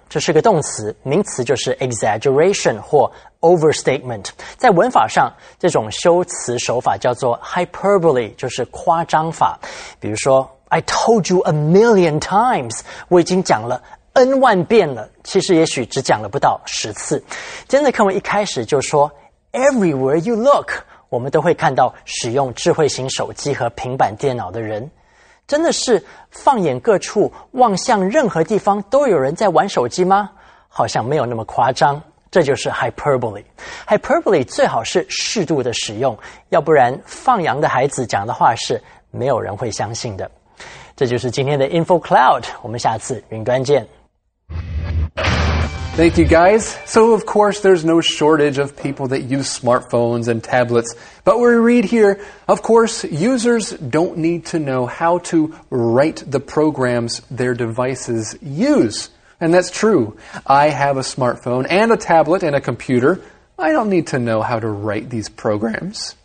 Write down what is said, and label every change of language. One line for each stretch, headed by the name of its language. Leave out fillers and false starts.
Chinese: 这是个动词, 名词就是 exaggeration 或 overstatement. 在文法上, 这种修辞手法叫做 hyperbole, 就是夸张法。
English: 比如说, I told you a million times.
Chinese: 我已经讲了 N 万遍了, 其实也许只讲了不到十次。今天的课文一开始就说,
English: Everywhere you look,
Chinese: 我们都会看到使用智慧型手机和平板电脑的人。真的是放眼各处, 望向任何地方都有人在玩手机吗? 好像没有那么夸张。这就是hyperbole. Hyperbole最好是适度的使用, 要不然放羊的孩子讲的话是没有人会相信的。这就是今天的Info Cloud, 我们下次云端见。
English: Thank you, guys. So, of course, there's no shortage of people that use smartphones and tablets. But we read here, of course, users don't need to know how to write the programs their devices use. And that's true. I have a smartphone and a tablet and a computer. I don't need to know how to write these programs.